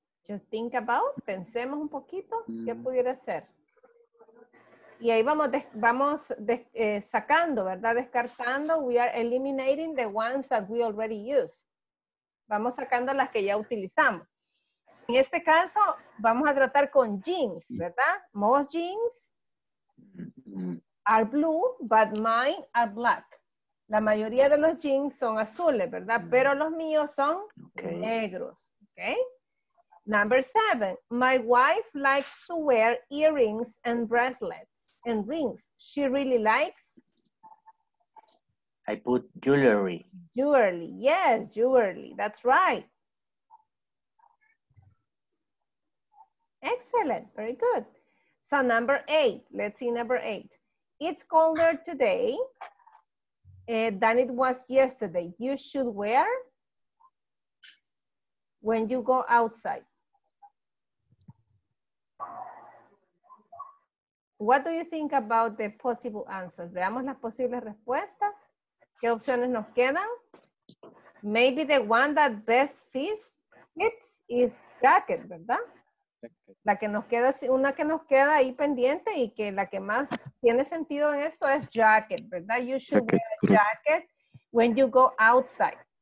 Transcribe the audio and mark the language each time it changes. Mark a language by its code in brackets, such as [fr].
[en] You think about, [es] pensemos un poquito, ¿qué pudiera ser? Y ahí vamos sacando, ¿verdad? Descartando, [en] we are eliminating the ones that we already used. [es] Vamos sacando las que ya utilizamos. En este caso, vamos a tratar con jeans, ¿verdad? [en] Most jeans are blue, but mine are black. [es] La mayoría de los jeans son azules, ¿verdad? Pero los míos son negros, ¿ok? [en] Number seven, my wife likes to wear earrings and bracelets and rings. She really likes? I put jewelry. Jewelry, yes, jewelry, that's right. Excellent, very good. So number eight, let's see number eight. It's colder today than it was yesterday. You should wear when you go outside. What do you think about the possible answers? [es] Veamos las posibles respuestas. ¿Qué opciones nos quedan? [en] Maybe the one that best fits is jacket, ¿verdad? [es] La que nos queda, una que nos queda ahí pendiente y que la que más tiene sentido en esto es jacket, ¿verdad? [en] You should wear a jacket when you go outside.